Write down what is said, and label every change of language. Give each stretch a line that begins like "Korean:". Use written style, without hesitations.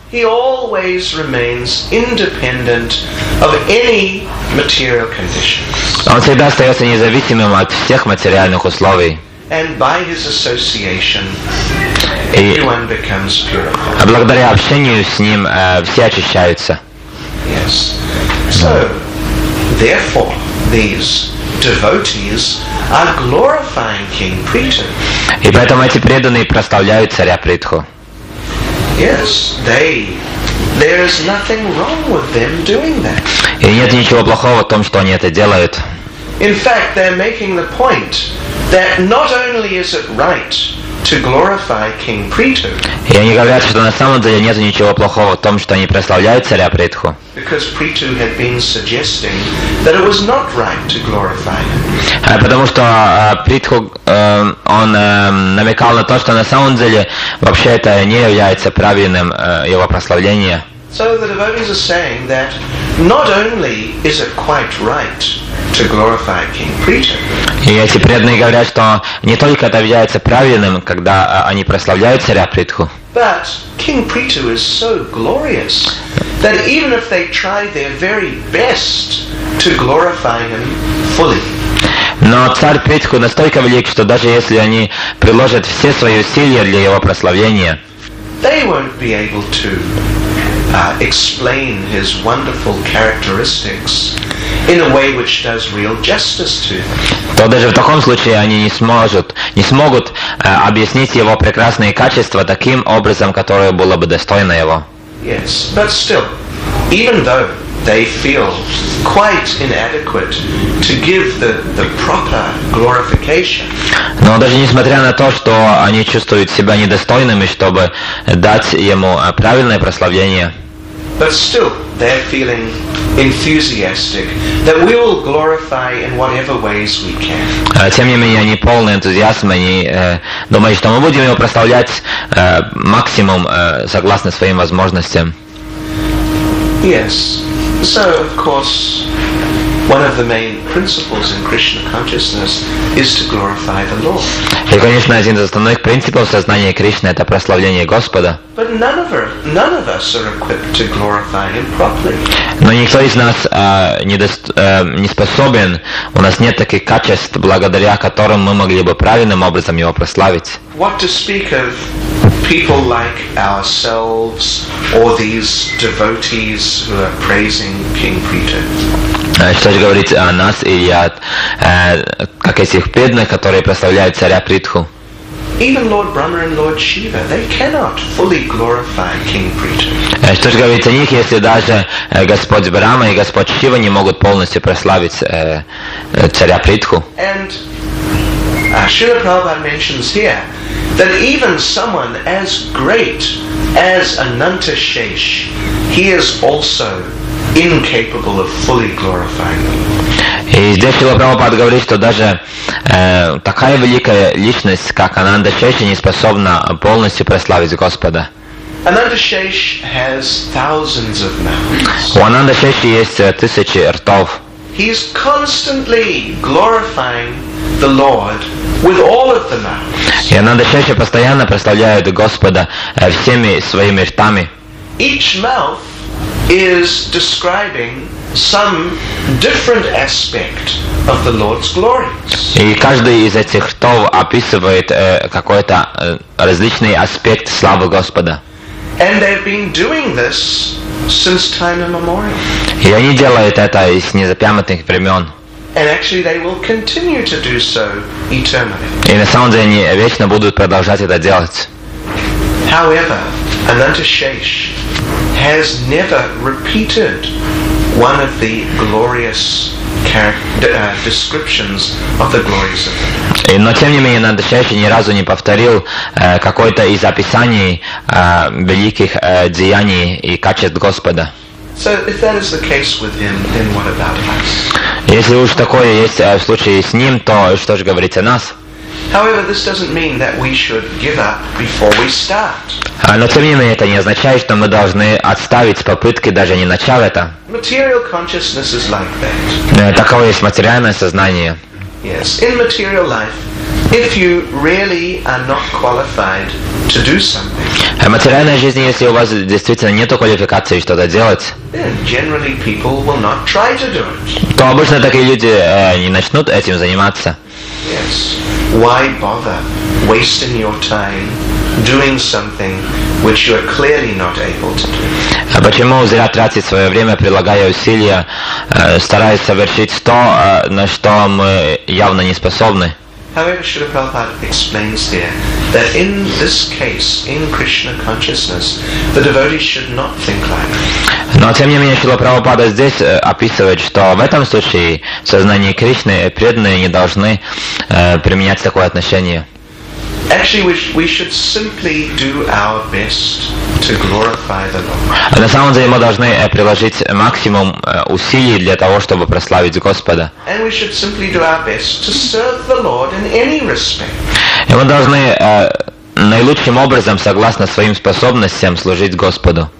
English: He always remains independent of any material conditions.
Russian: Он всегда остается независимым от всех материальных условий.
English: And by his association, everyone becomes purified.
Russian: А благодаря общению с ним все очищаются.
English: Yes. So, therefore, these devotees are glorifying King Preetha.
Russian: И поэтому эти преданные прославляют царя Притху.
English: Yes, they. There is nothing wrong with them doing that.
Russian: И нет ничего плохого в том, что они это делают.
English: In fact, they're making the point that not only is it right to glorify King Preetha.
Russian: И они говорят, что на самом деле нет ничего плохого в том, что они прославляют царя Притху.
English: Because Preetha had been suggesting that it was not right to glorify him.
Russian: Потому что Притху он намекал на то, что на самом деле вообще это не является правильным его прославление.
English: So the devotees are saying that not only is it quite right to glorify King Preetha.
Russian: И эти преданные говорят, что не только это является правильным, когда они прославляют царя Притху.
English: But King Preetha is so glorious that even if they try their very best to glorify him fully.
Russian: Но царь Притху настолько велик, что даже если они приложат все свои усилия для его прославления,
English: they won't be able to explain his wonderful characteristics in a way which does real justice to him.
Russian: То даже в таком случае они не смогут объяснить его прекрасные качества таким образом, которое было бы достойно его.
English: Yes, but still, even though they feel quite inadequate to give the proper glorification.
Russian: Но даже несмотря на то, что они чувствуют себя недостойными, чтобы дать ему правильное прославление.
English: But still, they're feeling enthusiastic that we will glorify in whatever ways we can.
Russian: Тем не менее, они полны энтузиазма, они думают, что мы будем его прославлять максимум согласно своим возможностям.
English: Yes. So, of course, one of the main principles in Krishna consciousness is to glorify the Lord.
Russian: И, конечно, один из основных принципов сознания Кришны — это прославление Господа.
English: But none of us are equipped to glorify Him properly.
Russian: Но никто из нас не способен. У нас нет таких качеств, благодаря которым мы могли бы правильным образом Его прославить.
English: What to speak of people like ourselves or these devotees who are praising King Peter?
Russian: Что же говорить о нас и о как этих преданных, которые прославляют царя Притху?
English: Even Lord Brahma and Lord Shiva, they cannot fully glorify King Prithu.
Russian: Что же говорить о них, если даже Господь Брама и Господь Шива не могут полностью прославить царя Притху?
English: And Srila Prabhupada mentions here that even someone as great as Ananta Shesh, he is also incapable of fully glorifying him.
Russian: И здесь Шрила Прабхупада говорит, что даже такая великая личность, как Ананда Шеш, не способна полностью прославить Господа.
English: Ананда Шеш has thousands of mouths.
Russian: У Ананда Шеши есть тысячи ртов.
English: He is constantly glorifying the Lord with all of the mouths.
Russian: И Ананда Шеш постоянно прославляет Господа всеми своими ртами.
English: Each mouth is describing some different aspect of the Lord's glory.
Russian: И каждый из этих ртов описывает какой-то различный аспект славы Господа.
English: And they've been doing this since time immemorial.
Russian: И они делают это с незапамятных времен.
English: And actually, they will continue to do so eternally.
Russian: И на самом деле они вечно будут продолжать это делать.
English: However, Ananta Shesh has never repeated one of the glorious descriptions of the glories of the
Russian: Lord. Но тем не менее, Ананда Шеш ни разу не повторил какой-то из описаний великих деяний и качеств Господа.
English: So if that is the case with him, then what about us?
Russian: Если уж такое есть в случае с ним, то что же говорить о нас?
English: However, this doesn't mean that we should give up before we start.
Russian: Но тем не менее, это не означает, что мы должны отставить попытки, даже не начав это.
English: Material consciousness is like that.
Russian: Таково есть материальное сознание.
English: Yes, in material life, if you really are not qualified to do something.
Russian: В материальной жизни, если у вас действительно нету квалификации что-то делать,
English: then generally people will not try to do it.
Russian: То обычно такие люди не начнут этим заниматься.
English: Yes. Why bother wasting your time doing something which you are clearly not able to do?
Russian: Почему зря тратить свое время, прилагая усилия, стараясь совершить то, на что мы явно не способны?
English: However, Srila Prabhupada explains here that in this case, in Krishna consciousness, the devotee should not think like that.
Russian: Но тем не менее, Шрила Прабхупада здесь описывает, что в этом случае в сознании Кришны преданные не должны применять такое отношение.
English: Actually, we should simply do our best to glorify the Lord.
Russian: На самом деле мы должны приложить максимум усилий для того, чтобы прославить Господа.
English: And we should simply do our best to serve the Lord in any respect.
Russian: И мы должны наилучшим образом, согласно своим способностям, служить Господу.